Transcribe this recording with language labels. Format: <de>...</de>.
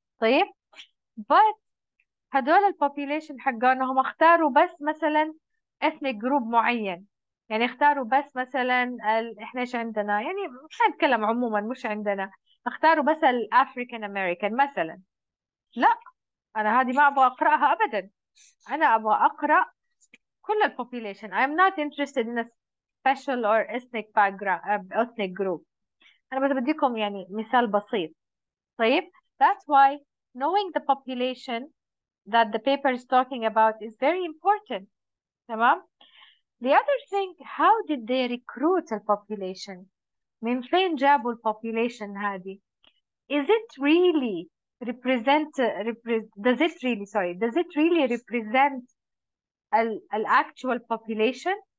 <ar>طيب, but هذول البوبوليشن حقانهم اختاروا بس مثلا ethnic group معين, يعني اختاروا بس مثلا احنا ايش عندنا, يعني مش هنتكلم عموما مش عندنا, اختاروا بس الافريكان امريكان مثلا. لا, انا هذه ما ابغى اقراها ابدا, انا ابغى اقرا كل الـ population.</ar> <en>I'm not interested in a special or ethnic background, ethnic group.</en> <ar>أنا بس بديكم يعني مثال بسيط.</ar> <en>طيب, that's why knowing the population that the paper is talking about is very important. تمام؟ The other thing, how did they recruit the population?</en> <ar>من فين جابوا الـ population هذه؟</ar> <en>Is it really represent, does it really, sorry, does it really represent ال actual population.</en>